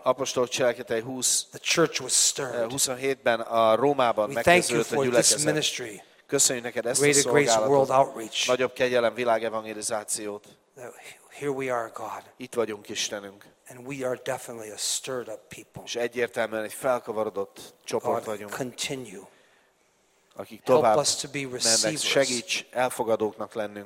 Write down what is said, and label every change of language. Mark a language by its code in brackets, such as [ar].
[hu] Apostolok cselekedetei 20. [en] The church was stirred. [hu] 27-ben a Rómában megkezdődött a gyülekezet. [en] This ministry. [hu] Köszönjük neked ezt [en] greater [hu] a [en] grace, world outreach. [hu] Nagyobb kegyelem, világevangelizációt. [en] Here we are, God. [hu] Itt vagyunk, Istenünk. [en] And we are definitely a stirred up people. [hu] És egyértelműen egy felkavarodott csoport vagyunk. [en] Continue. [hu] Akik tovább [en] help us to be receivers. [hu] Segíts elfogadóknak lennünk.